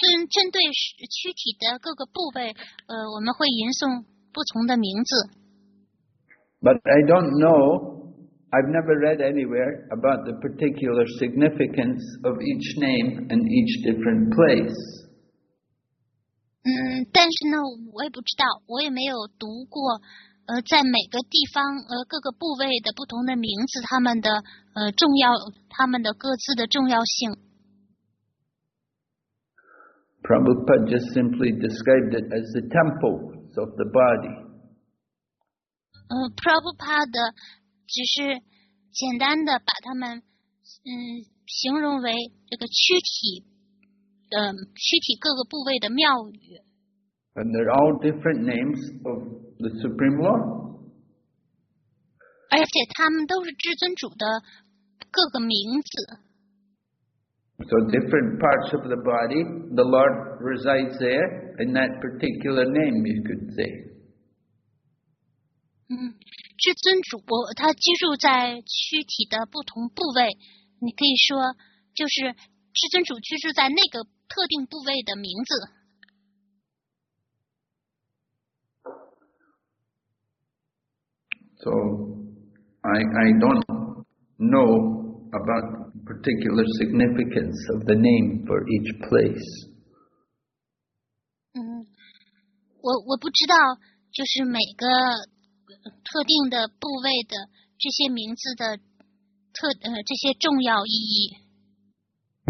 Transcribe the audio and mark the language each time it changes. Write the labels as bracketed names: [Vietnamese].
[Chinese] 针对躯体的各个部位，我们会吟诵不同的名字。 [English] But I don't know. I've never read anywhere about the particular significance of each name in each different place. [Chinese] 但是呢，我也不知道，我也没有读过。在每个地方各个部位的不同的名字，他们的重要，他们的各自的重要性。 [English] Prabhupada just simply described it as the temples of the body. [Chinese] Prabhupada 只是简单的把他们形容为这个躯体各个部位的庙宇。 [English] And they're all different names of the Supreme Lord. [Chinese] 而且他们都是至尊主的各个名字。 [English] So different parts of the body, the Lord resides there in that particular name, you could say. [Chinese] 至尊主他居住在躯体的不同部位，你可以说就是至尊主居住在那个特定部位的名字。 [English] So, I don't know about particular significance of the name for each place. [Chinese] 我不知道，就是每个特定的部位的这些名字的这些重要意义。